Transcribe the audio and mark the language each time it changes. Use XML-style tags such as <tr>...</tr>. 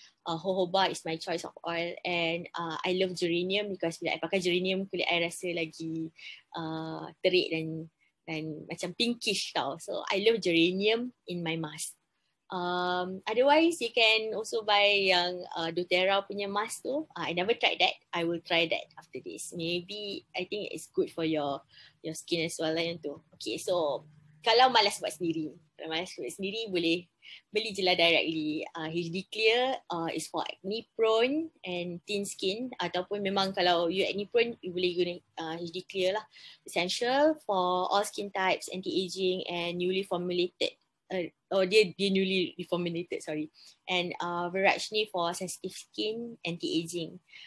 <en>Jojoba is my choice of oil. And I love geranium because</en> <ms>bila I pakai geranium, kulit I rasa lagi terik dan macam pinkish tau.</ms> <en>So I love geranium in my mask. Otherwise, you can also buy</en> <ms>yang doTERRA punya mask tu.</ms> <en>I never tried that. I will try that after this. Maybe I think it's good for your skin as well</en> <ms>lah yang tu.</ms> <en>Okay, so</en> <ms>kalau malas buat sendiri, boleh beli je lah directly.</ms> <en>HD Clear is for acne prone and thin skin.</en> <ms>Ataupun memang kalau</ms> <en>you acne prone, you</en> <ms>boleh guna HD Clear lah.</ms> <en>Essential for all skin types, anti-aging and newly formulated. Dia newly reformulated, sorry. And Virajni for sensitive skin, anti-aging.</en>